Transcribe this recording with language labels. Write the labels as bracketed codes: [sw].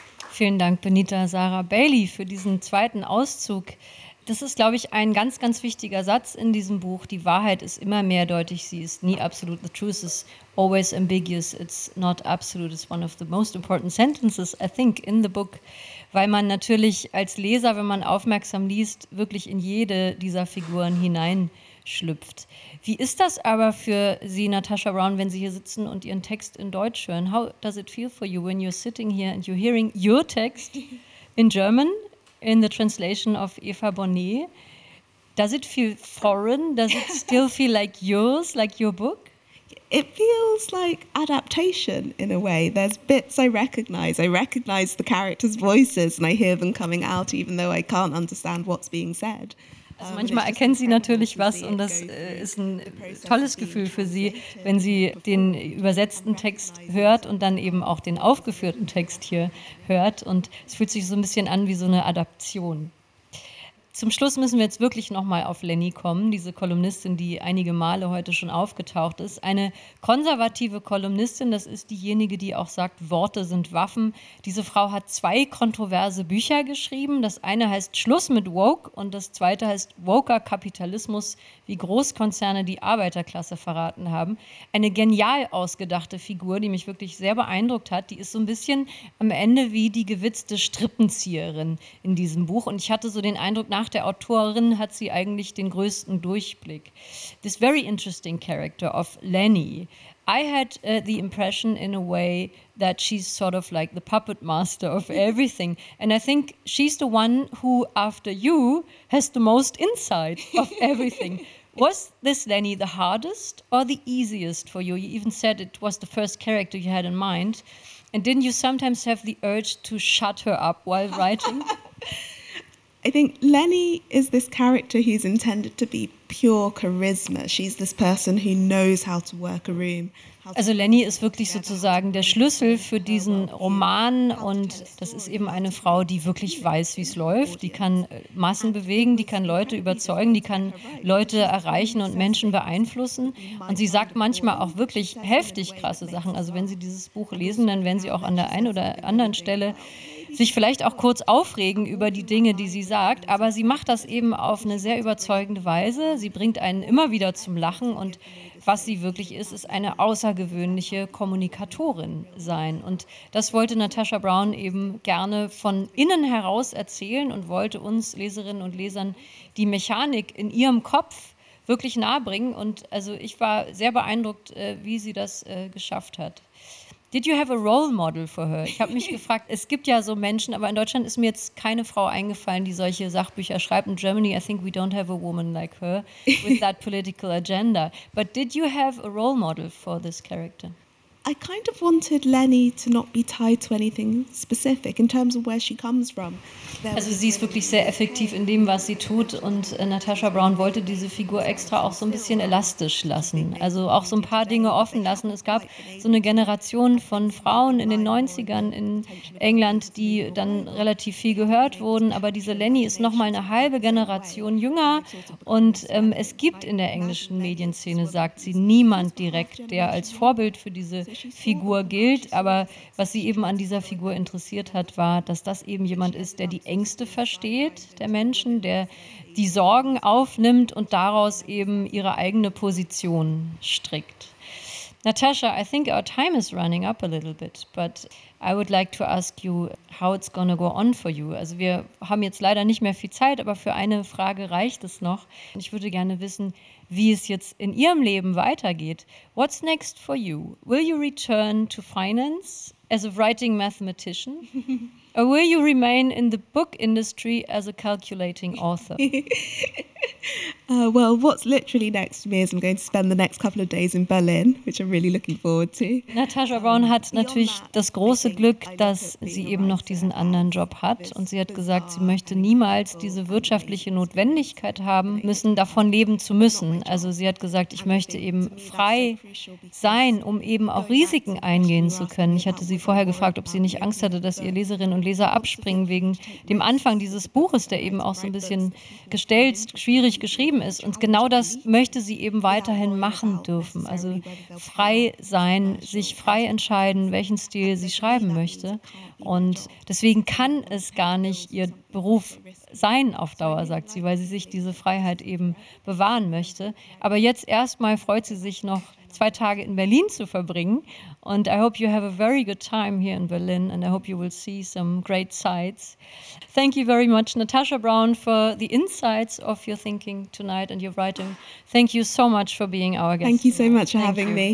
[de] Vielen Dank, Benita Sarah Bailey, für diesen zweiten Auszug. Das ist, glaube ich, ein ganz, ganz wichtiger Satz in diesem Buch. Die Wahrheit ist immer mehrdeutig, sie ist nie absolut. [en] The truth is always ambiguous, it's not absolute. It's one of the most important sentences, I think, in the book. [de] Weil man natürlich als Leser, wenn man aufmerksam liest, wirklich in jede dieser Figuren hineinschlüpft. Wie ist das aber für Sie, Natasha Brown, wenn Sie hier sitzen und Ihren Text in Deutsch hören? [en] How does it feel for you when you're sitting here and you're hearing your text in German? In the translation of Eva Bonnet, does it feel foreign? Does it still feel like yours, like your book? It feels like adaptation in a way. There's bits I recognize. I recognize the characters' voices and I hear them coming out, even though I can't understand what's being said. [de] Also manchmal erkennen Sie natürlich was und das ist ein tolles Gefühl für Sie, wenn Sie den übersetzten Text hört und dann eben auch den aufgeführten Text hier hört. Und es fühlt sich so ein bisschen an wie so eine Adaption. Zum Schluss müssen wir jetzt wirklich nochmal auf Lenny kommen, diese Kolumnistin, die einige Male heute schon aufgetaucht ist. Eine konservative Kolumnistin, das ist diejenige, die auch sagt, Worte sind Waffen. Diese Frau hat zwei kontroverse Bücher geschrieben. Das eine heißt Schluss mit Woke und das zweite heißt Woker Kapitalismus, wie Großkonzerne die Arbeiterklasse verraten haben. Eine genial ausgedachte Figur, die mich wirklich sehr beeindruckt hat. Die ist so ein bisschen am Ende wie die gewitzte Strippenzieherin in diesem Buch. Und ich hatte so den Eindruck, nach der Autorin hat sie eigentlich den größten Durchblick. [en] This very interesting character of Lenny. I had the impression in a way that she's sort of like the puppet master of everything. And I think she's the one who, after you, has the most insight of everything. Was this Lenny the hardest or the easiest for you? You even said it was the first character you had in mind. And didn't you sometimes have the urge to shut her up while writing? I think Lenny is this character who's intended to be pure charisma. She's this person who knows how to work a room. [de] Also Lenny ist wirklich sozusagen der Schlüssel für diesen Roman und das ist eben eine Frau, die wirklich weiß, wie es läuft. Die kann Massen bewegen, die kann Leute überzeugen, die kann Leute erreichen und Menschen beeinflussen. Und sie sagt manchmal auch wirklich heftig krasse Sachen. Also wenn Sie dieses Buch lesen, dann werden Sie auch an der einen oder anderen Stelle sich vielleicht auch kurz aufregen über die Dinge, die sie sagt. Aber sie macht das eben auf eine sehr überzeugende Weise. Sie bringt einen immer wieder zum Lachen und was sie wirklich ist, ist eine außergewöhnliche Kommunikatorin sein. Und das wollte Natasha Brown eben gerne von innen heraus erzählen und wollte uns Leserinnen und Lesern die Mechanik in ihrem Kopf wirklich nahebringen. Und also ich war sehr beeindruckt, wie sie das geschafft hat. [en] Did you have a role model for her? [de] Ich habe mich gefragt, es gibt ja so Menschen, aber in Deutschland ist mir jetzt keine Frau eingefallen, die solche Sachbücher schreibt. [en] In Germany, I think we don't have a woman like her with that political agenda. But did you have a role model for this character? I kind of wanted Lenny to not be tied to anything specific in terms of where she comes from. [de] Also sie ist wirklich sehr effektiv in dem, was sie tut, und Natasha Brown wollte diese Figur extra auch so ein bisschen elastisch lassen, also auch so ein paar Dinge offen lassen. Es gab so eine Generation von Frauen in den 90ern in England, die dann relativ viel gehört wurden, aber diese Lenny ist noch mal eine halbe Generation jünger, und es gibt in der englischen Medienszene, sagt sie, niemand direkt, der als Vorbild für diese Figur gilt, aber was sie eben an dieser Figur interessiert hat, war, dass das eben jemand ist, der die Ängste versteht der Menschen, der die Sorgen aufnimmt und daraus eben ihre eigene Position strickt. [en] Natasha, I think our time is running up a little bit, but I would like to ask you how it's gonna go on for you. [de] Also wir haben jetzt leider nicht mehr viel Zeit, aber für eine Frage reicht es noch. Ich würde gerne wissen, wie es jetzt in Ihrem Leben weitergeht. [en] What's next for you? Will you return to finance as a writing mathematician? Or will you remain in the book industry as a calculating author? Well, what's literally next to me is I'm going to spend the next couple of days in Berlin, which I'm really looking forward to. [de] Natasha Brown hat natürlich das große Glück, dass sie eben noch diesen anderen Job hat. Und sie hat gesagt, sie möchte niemals diese wirtschaftliche Notwendigkeit haben müssen, davon leben zu müssen. Also sie hat gesagt, ich möchte eben frei sein, um eben auch Risiken eingehen zu können. Ich hatte sie vorher gefragt, ob sie nicht Angst hatte, dass ihr Leserinnen und Leser abspringen wegen dem Anfang dieses Buches, der eben auch so ein bisschen gestelzt, schwierig geschrieben ist. Und genau das möchte sie eben weiterhin machen dürfen. Also frei sein, sich frei entscheiden, welchen Stil sie schreiben möchte. Und deswegen kann es gar nicht ihr Beruf sein auf Dauer, sagt sie, weil sie sich diese Freiheit eben bewahren möchte. Aber jetzt erstmal freut sie sich noch, 2 Tage in Berlin zu verbringen. [en] Und I hope you have a very good time here in Berlin, and I hope you will see some great sights. Thank you very much, Natasha Brown, for the insights of your thinking tonight and your writing. Thank you so much for being our guest. Thank you so much for having me.